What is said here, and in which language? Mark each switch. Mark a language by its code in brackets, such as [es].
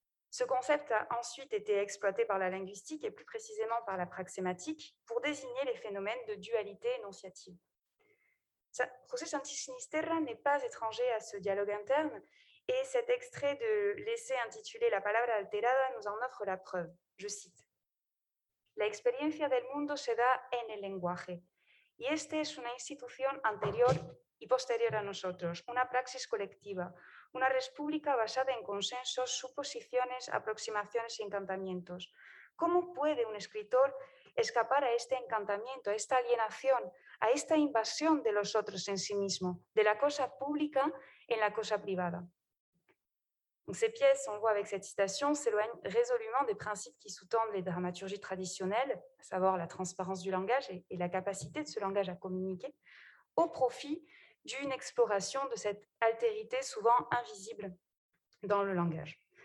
[fr] Ce concept a ensuite été exploité par la linguistique et plus précisément par la praxématique pour désigner les phénomènes de dualité énonciative. José Sánchez Sinisterra n'est pas étranger à ce dialogue interne et cet extrait de l'essai intitulé « La palabra alterada » nous en offre la preuve. Je cite [es] « La experiencia del mundo se da en el lenguaje y este es una institución anterior y posterior a nosotros, una praxis colectiva, una república basada en consensos, suposiciones, aproximaciones y encantamientos. ¿Cómo puede un escritor escapar a este encantamiento, a esta alienación, a esta invasión de los otros en sí mismo, de la cosa pública en la cosa privada? [fr] Donc, ces pièces, on le voit avec cette citation, s'éloignent résolument des principes qui sous-tendent les dramaturgies traditionnelles, à savoir la transparence du langage et la capacité de ce langage à communiquer, au profit d'une exploration de cette altérité souvent invisible dans le langage.